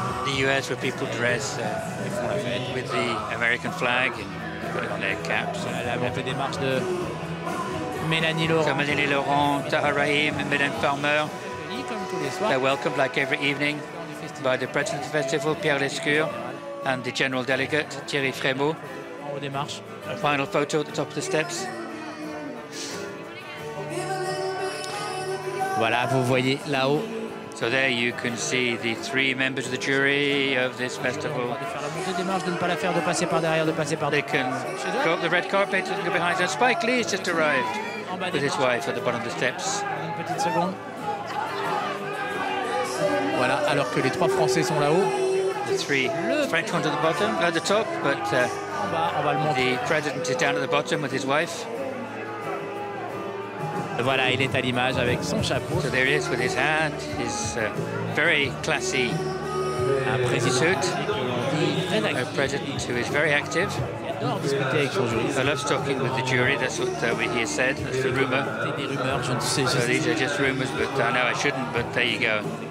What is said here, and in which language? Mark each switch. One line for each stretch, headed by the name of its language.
English: the US where people dress with the American flag and put it on their caps.
French: Là, on fait des marches de Mélanie Laurent.
English: So Mélanie Laurent, Tahar Rahim, Mélanie Farmer.
French: Comme tous les soirs.
English: They're welcomed like every evening by the president of the festival, Pierre Lescure. And the general delegate, Thierry Frémaux.
French: En haut des marches.
English: A final photo at the top of the steps.
French: Voilà, vous voyez là-haut.
English: So there you can see the three members of the jury of this festival. They can go up the red carpet and go behind. And Spike Lee has just arrived with his wife at the bottom of the steps.
French: Une petite seconde. Voilà, alors que les trois Français sont là-haut.
English: The three French ones at the bottom, at the top, but the president is down at the bottom with his wife.
French: Voilà, il est à l'image avec son chapeau.
English: So there he is with his hat, his very classy suit. A president who is very active. He loves talking with the jury, that's what he has said, that's the rumor. So these are just rumors, but I know I shouldn't, but there you go.